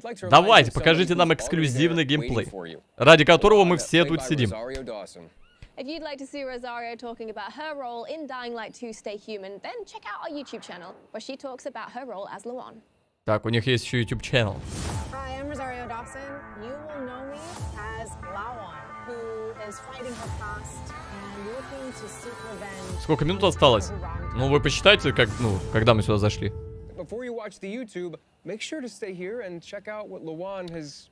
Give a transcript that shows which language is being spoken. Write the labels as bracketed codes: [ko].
[ru] Давайте, покажите нам эксклюзивный геймплей, ради которого мы все тут сидим. [en] If you'd like to see Rosario talking about her role in Dying Light 2 Stay Human, then check out our YouTube channel, where she talks about her role as Luan. [ru] Так, у них есть еще YouTube channel. [en] Hi, I'm Rosario Dawson. You will know me as Luan, who is fighting her past and looking to seek revenge. [ru] Сколько минут осталось? Ну, вы посчитайте, как, ну, когда мы сюда зашли. [en] Before you watch the YouTube, make sure to stay here and check out what Luan has.